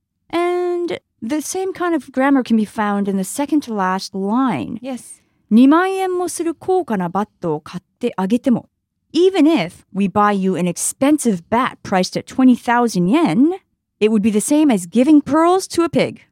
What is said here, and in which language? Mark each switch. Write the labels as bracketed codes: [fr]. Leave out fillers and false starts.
[en] And the same kind of grammar can be found in the second to last line. Yes. [ja] 2万円もする高価なバットを買ってあげても。 [en] Even if we buy you an expensive bat priced at 20,000 yen, it would be the same as giving pearls to a pig.